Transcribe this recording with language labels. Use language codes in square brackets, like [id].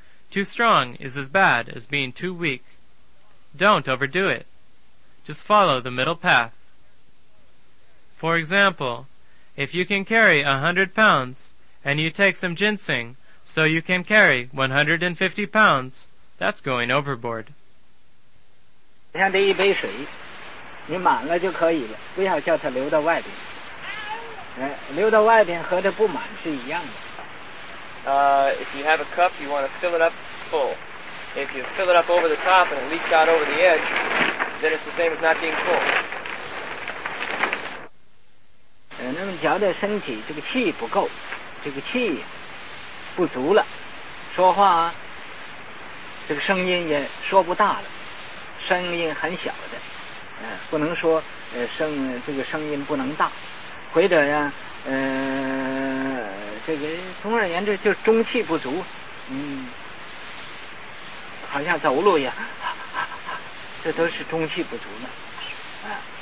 [en] Too strong is as bad as being too weak. Don't overdo it. Just follow the middle path. For example, if you can carry 100 pounds and you take some ginseng so you can carry 150 pounds, that's going overboard. [zh] 像这一杯水你满了就可以了，不要叫它流到外边。流到外边和它不满是一样的。 [en] If you have a cup, you want to fill it up full. If you fill it up over the top and it leaks out over the edge, then it's the same as not being full. [zh] 那么觉得身体这个气不够，这个气不足了，说话这个声音也说不大了，声音很小的。不能说这个声音不能大，或者呀这个总而言之就中气不足，好像走路呀，这都是中气不足的啊。